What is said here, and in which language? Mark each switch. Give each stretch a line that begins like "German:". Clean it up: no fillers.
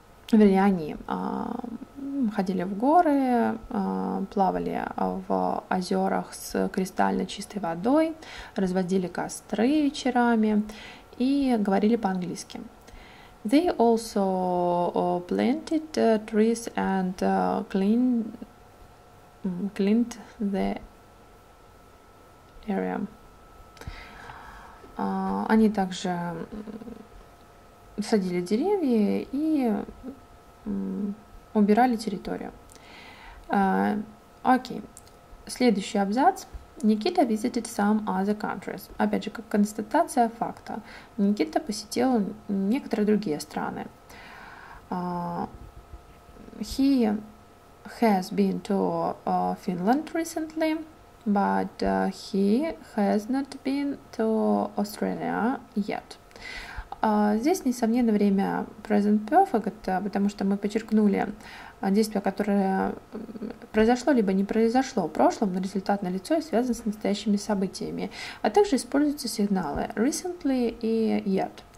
Russian: Ходили в горы, плавали в озерах с кристально чистой водой, разводили костры вечерами и говорили по-английски.
English: They also planted trees and cleaned the area.
Russian: Они также садили деревья и убирали территорию. Окей, следующий абзац.
English: Никита visited some other countries.
Russian: Опять же, как констатация факта. Никита посетил некоторые другие страны.
English: He has been to Finland recently, but he has not been to Australia yet.
Russian: Здесь, несомненно, время present perfect, потому что мы подчеркнули действие, которое произошло, либо не произошло в прошлом, но результат налицо и связан с настоящими событиями. А также используются сигналы recently и yet.